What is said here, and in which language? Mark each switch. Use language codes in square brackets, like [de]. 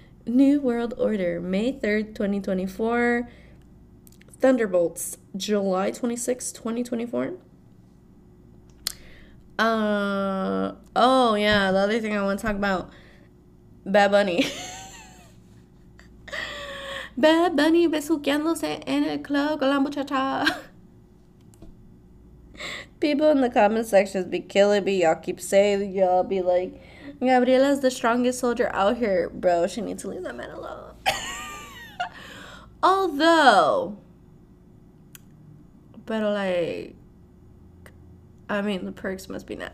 [en] New World Order, May 3rd, 2024. Thunderbolts, July 26th, 2024. Oh, yeah, the other thing I want to talk about, Bad Bunny. [es] Bad Bunny, besuqueándose en el club con la muchacha. [en] People in the comment sections be killing me. Y'all keep saying, y'all be like, Gabriela's the strongest soldier out here, bro. She needs to leave that man alone. Although, but, like, I mean, the perks must be not.